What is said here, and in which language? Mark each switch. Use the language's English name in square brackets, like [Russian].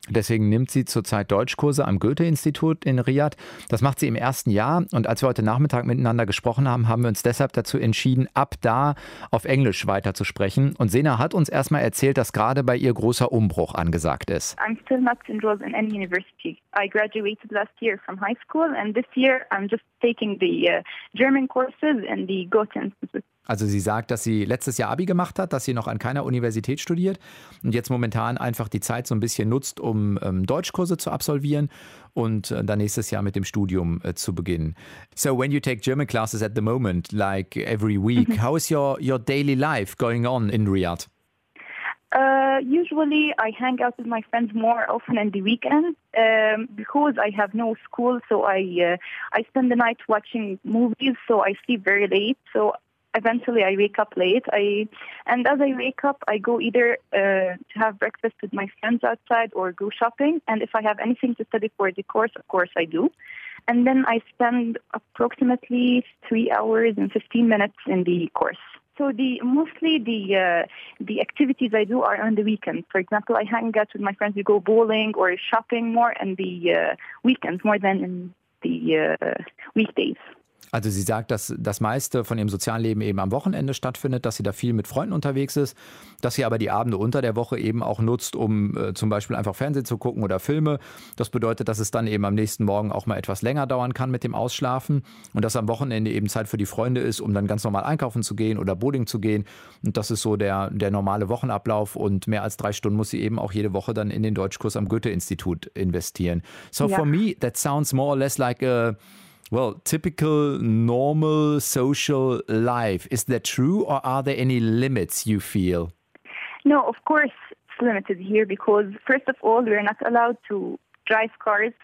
[German] Deswegen nimmt sie zurzeit Deutschkurse am Goethe-Institut in Riad. Das macht sie im ersten Jahr. Und als wir heute Nachmittag miteinander gesprochen haben, haben wir uns deshalb dazu entschieden, ab da auf Englisch weiterzusprechen. Und Sena hat uns erstmal erzählt, dass gerade bei ihr großer Umbruch angesagt ist. [English] I'm still not enrolled in any university. I graduated last year from high school. And this year I'm just taking the German courses and the Goethe-Institut. [German] Also sie sagt, dass sie letztes Jahr Abi gemacht hat, dass sie noch an keiner Universität studiert und jetzt momentan einfach die Zeit so ein bisschen nutzt, um Deutschkurse zu absolvieren und dann nächstes Jahr mit dem Studium zu beginnen. [English] So when you take German classes at the moment, like every week, how is your daily life going on in Riyadh? Usually I hang out with my friends more often in the weekends because I have no school, so I spend the night watching movies, so I sleep very late, so eventually, I wake up late. I go either to have breakfast with my friends outside or go shopping. And if I have anything to study for the course, of course I do. And then I spend approximately 3 hours and 15 minutes in the course. So mostly the activities I do are on the weekends. For example, I hang out with my friends. We go bowling or shopping more in the weekends more than in the weekdays. [German] Also sie sagt, dass das meiste von ihrem sozialen Leben eben am Wochenende stattfindet, dass sie da viel mit Freunden unterwegs ist, dass sie aber die Abende unter der Woche eben auch nutzt, um zum Beispiel einfach Fernsehen zu gucken oder Filme. Das bedeutet, dass es dann eben am nächsten Morgen auch mal etwas länger dauern kann mit dem Ausschlafen und dass am Wochenende eben Zeit für die Freunde ist, um dann ganz normal einkaufen zu gehen oder Bowling zu gehen. Und das ist so der normale Wochenablauf und mehr als 3 Stunden muss sie eben auch jede Woche dann in den Deutschkurs am Goethe-Institut investieren. [English] So for me, that sounds more or less like a... Well, typical, normal social life. Is that true or are there any limits you feel? No, of course it's limited here because first of all, we're not allowed to drive cars.